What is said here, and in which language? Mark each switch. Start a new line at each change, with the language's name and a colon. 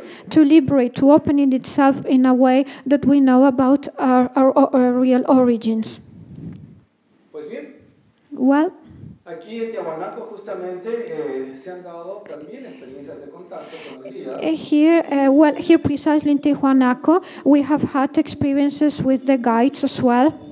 English: To liberate, to open in itself in a way that we know about our real origins.
Spanish: Pues bien,
English: well,
Spanish: aquí en Tiwanaku justamente se han dado también experiencias de contacto con los guías.
English: Here precisely in Tiwanaku, we have had experiences with the guides as well.